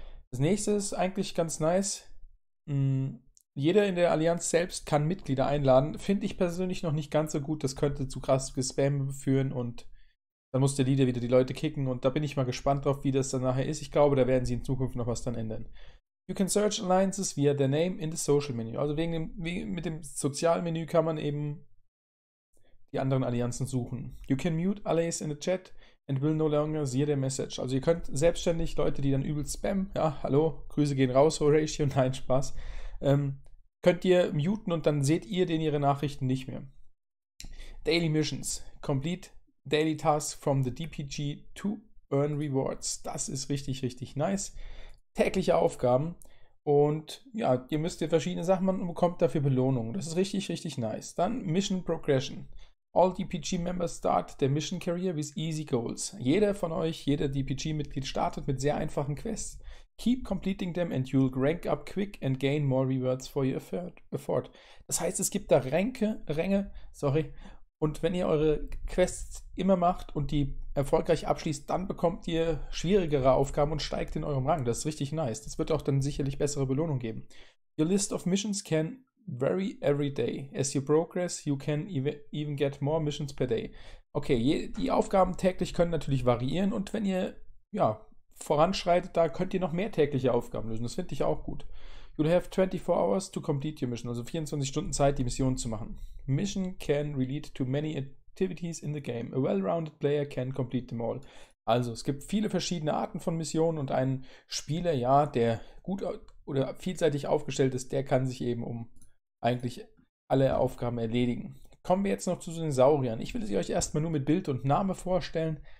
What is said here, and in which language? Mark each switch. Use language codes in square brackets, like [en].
[de] Das nächste ist eigentlich ganz nice. Jeder in der Allianz selbst kann Mitglieder einladen. Finde ich persönlich noch nicht ganz so gut. Das könnte zu krass Gespam führen und dann muss der Leader wieder die Leute kicken. Und da bin ich mal gespannt drauf, wie das dann nachher ist. Ich glaube, da werden sie in Zukunft noch was dann ändern. [en] You can search Alliances via their name in the Social Menu. [de] Also mit dem Sozialmenü kann man eben die anderen Allianzen suchen. [en] You can mute Allies in the Chat. And will no longer see the message. [de] Also ihr könnt selbstständig Leute, die dann übel spammen, ja, hallo, Grüße gehen raus, Horatio, nein, Spaß, könnt ihr muten und dann seht ihr den ihre Nachrichten nicht mehr. [en] Daily Missions. Complete daily tasks from the DPG to earn rewards. [de] Das ist richtig, richtig nice. Tägliche Aufgaben. Und ja, ihr müsst ihr verschiedene Sachen machen und bekommt dafür Belohnungen. Das ist richtig, richtig nice. Dann [en] Mission Progression. All DPG-Members start their mission career with easy goals. [de] Jeder von euch, jeder DPG-Mitglied startet mit sehr einfachen Quests. [en] Keep completing them and you'll rank up quick and gain more rewards for your effort. [de] Das heißt, es gibt da Ränge, sorry. Und wenn ihr eure Quests immer macht und die erfolgreich abschließt, dann bekommt ihr schwierigere Aufgaben und steigt in eurem Rang. Das ist richtig nice. Das wird auch dann sicherlich bessere Belohnung geben. [en] Your list of missions can vary every day. As you progress, you can even get more missions per day. [de] Okay, die Aufgaben täglich können natürlich variieren und wenn ihr ja, voranschreitet, da könnt ihr noch mehr tägliche Aufgaben lösen. Das finde ich auch gut. [en] You'll have 24 hours to complete your mission, [de] also 24 Stunden Zeit, die Mission zu machen. [en] Mission can relate to many activities in the game. A well-rounded player can complete them all. [de] Also, es gibt viele verschiedene Arten von Missionen und ein Spieler, ja, der gut oder vielseitig aufgestellt ist, der kann sich eben um eigentlich alle Aufgaben erledigen. Kommen wir jetzt noch zu den Sauriern. Ich will sie euch erstmal nur mit Bild und Name vorstellen.